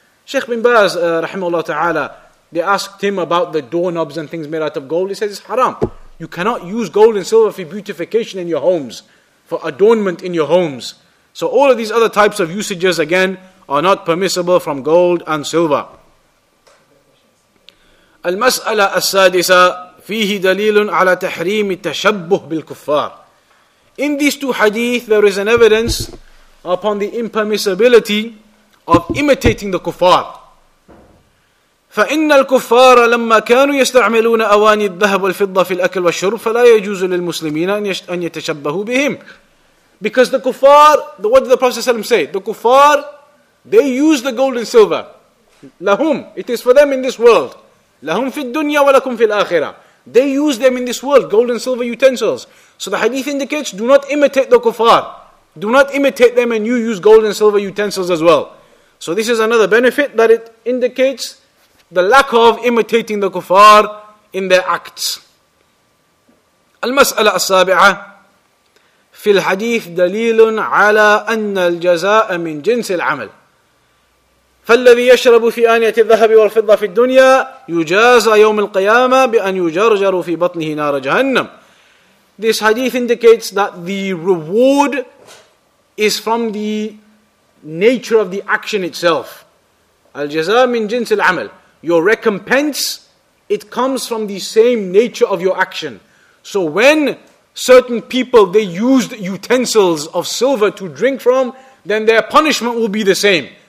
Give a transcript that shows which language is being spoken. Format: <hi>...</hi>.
<en>Sheikh bin Baz, rahimahullah ta'ala, they asked him about the doorknobs and things made out of gold. He says it's haram. You cannot use gold and silver for beautification in your homes, for adornment in your homes. So all of these other types of usages, again, are not permissible from gold and silver.</en> <ar>المسألة السادسة فيه دليل على تحريم التشبه بالكفار.</ar> <en>In these two hadith, there is an evidence upon the impermissibility of imitating the kuffar.</en> <ar>فإن الكفار لما كانوا يستعملون أواني الذهب والفضة في الأكل والشرب فلا يجوز للمسلمين أن يتشبهوا بهم.</ar> <en>Because the kuffar, what did the Prophet ﷺ say? The kuffar, they use the gold and silver.</en> <ar>لهم,</ar> <en>it is for them in this world.</en> <ar>لهم في الدنيا ولكم في الآخرة.</ar> <en>They use them in this world, gold and silver utensils. So the hadith indicates, do not imitate the kuffar. Do not imitate them and you use gold and silver utensils as well. So this is another benefit that it indicates, the lack of imitating the kuffar in their acts.</en> <ar>المسألة السابعة في الحديث دليل على أن الجزاء من جنس العمل. فالذي يشرب في آنية الذهب والفضة في الدنيا يجازى يوم القيامة بأن يجرجر في بطنه نار جهنم.</ar> <en>This hadith indicates that the reward is from the nature of the action itself.</en> <ar>الجزاء من جنس العمل.</ar> <en>Your recompense, it comes from the same nature of your action. So when certain people, they used utensils of silver to drink from, then their punishment will be the same.</en>